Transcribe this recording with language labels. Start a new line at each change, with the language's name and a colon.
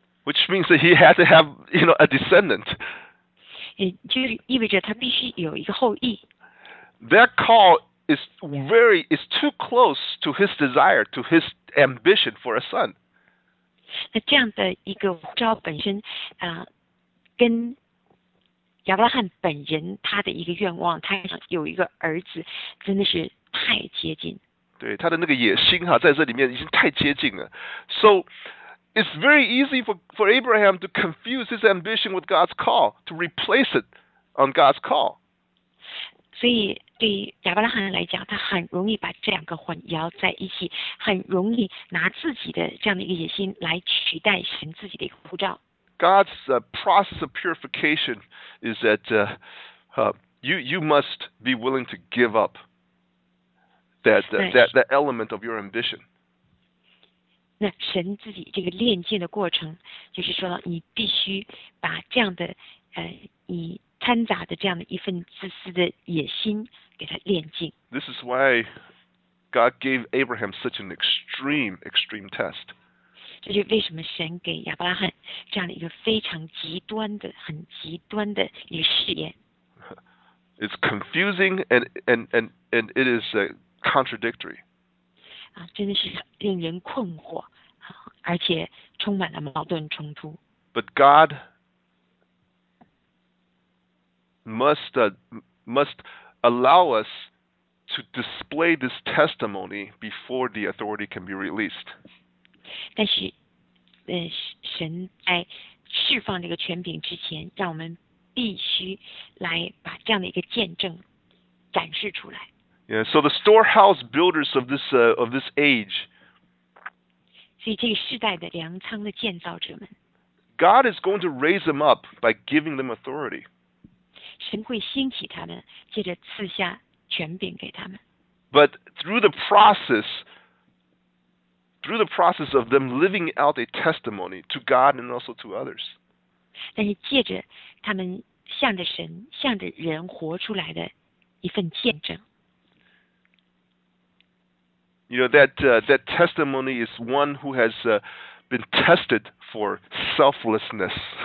English: Which means that he had to have, you know, a descendant.
Chinese: 就意味着他必须有一个后裔。
English: That call is too close to his desire, to his ambition for a son.
Chinese: 那这样的一个呼召本身，跟亚伯拉罕本人他的一个愿望，他想有一个儿子，真的是太接近。对他的那个野心在这里面已经太接近了。
English: So It's very easy for Abraham to confuse his ambition with God's call, to replace it on God's call.
Chinese: 所以对于亚伯拉罕来讲，他很容易把这两个混淆在一起，很容易拿自己的这样的一个野心来取代神自己的一个呼召。
English: God's process of purification is that you must be willing to give up that element of your ambition.
Chinese: 那神自己这个炼净的过程，就是说你必须把这样的你掺杂的这样的一份自私的野心给他炼净。
English: This is why God gave Abraham such an extreme, extreme test.
Chinese: 这就是为什么神给亚伯拉罕这样的一个非常极端的、很极端的一个试验。
English: It's confusing and it is contradictory.
Chinese: 啊，真的是令人困惑，而且充满了矛盾冲突。
English: But God must allow us to display this testimony before the authority can be released.
Chinese: 但是神在释放这个权柄之前，让我们必须来把这样的一个见证展示出来。
English: Yeah, so the storehouse builders of this, of this age,
Chinese: 所以这个世代的粮仓的建造者们，
English: God is going to raise them up by giving them authority.
Chinese: 神会兴起他们，接着赐下权柄给他们。
English: But through the process,through the process of them living out a testimony to God and also to others.
Chinese: 但是借着他们向着神、向着人活出来的一份见证。
English: You know, that, that testimony is one who has been tested for selflessness.